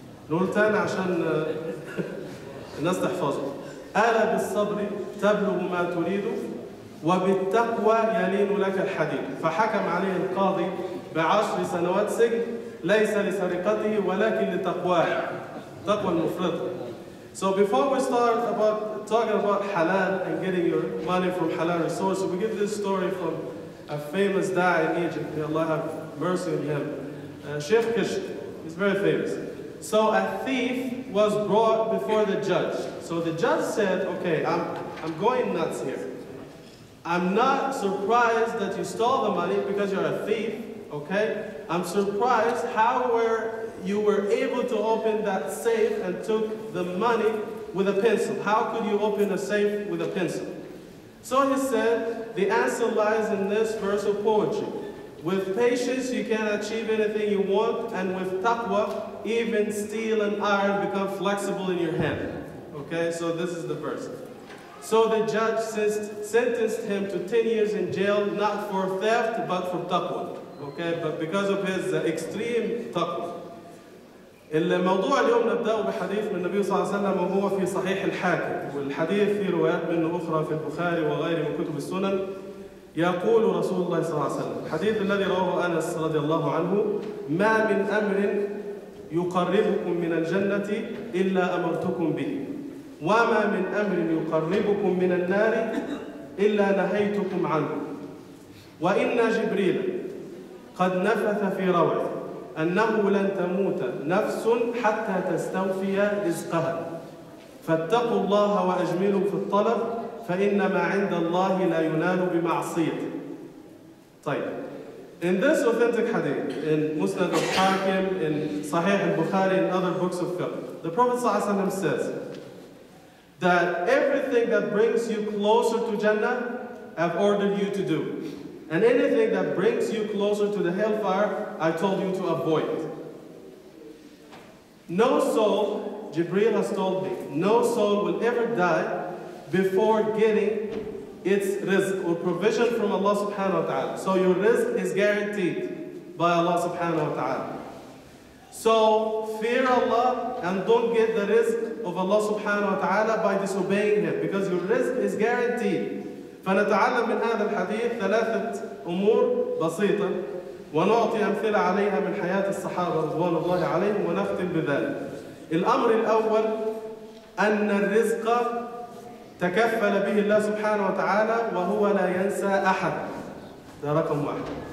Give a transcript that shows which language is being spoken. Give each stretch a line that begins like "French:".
Arabic: نقول تاني عشان الناس تحفظه. ألا بالصبر تبلغ ما تريد وبالتقوى يلين لك الحديد. فحكم عليه القاضي بعشر سنوات سجن ليس لسرقته ولكن لتقواه. تقوى المفرط.
English: So before we start about talking about halal and getting your money from halal resources, we give this story from a famous da'i in Egypt. May Allah have mercy on him. Sheikh Kish is very famous. So a thief was brought before the judge. So the judge said, okay, I'm going nuts here. I'm not surprised that you stole the money because you're a thief, okay? I'm surprised how you were able to open that safe and took the money with a pencil. How could you open a safe with a pencil? So he said, the answer lies in this verse of poetry. With patience, you can achieve anything you want, and with taqwa, even steel and iron become flexible in your hand. Okay, so this is the verse. So the judge sentenced him to 10 years in jail, not for theft, but for taqwa. Okay, but because of his extreme taqwa.
Arabic: الموضوع اليوم نبدأه بحديث من النبي صلى الله عليه وسلم وهو في صحيح الحاكم والحديث في روايات منه أخرى في البخاري وغيره من كتب السنن. يقول رسول الله صلى الله عليه وسلم الحديث الذي رواه أنس رضي الله عنه ما من أمر يقربكم من الجنة إلا أمرتكم به وما من أمر يقربكم من النار إلا نهيتكم عنه وإن جبريل قد نفث في روعه أنه لن تموت نفس حتى تستوفي رزقها فاتقوا الله وأجملوا في الطلب فإنما عند الله لا ينال بمعصية. طيب.
English: In this authentic hadith, in Musnad al-Hakim, in Sahih al-Bukhari, in other books of fiqh, the Prophet
Arabic: صلى الله عليه وسلم
English: says that everything that brings you closer to Jannah, I've ordered you to do. And anything that brings you closer to the hellfire, I told you to avoid. No soul, Jibreel has told me, no soul will ever die before getting its rizq or provision from Allah subhanahu wa ta'ala. So your rizq is guaranteed by Allah subhanahu wa ta'ala. So fear Allah and don't get the rizq of Allah subhanahu wa ta'ala by disobeying Him because your rizq is guaranteed.
Arabic: فنتعلم من هذا الحديث ثلاثة أمور بسيطة ونعطي أمثلة عليها من حياة الصحابة رضوان الله عليهم ونختم بذلك. الأمر الأول أن الرزق تكفل به الله سبحانه وتعالى وهو لا ينسى أحد. ده رقم واحد.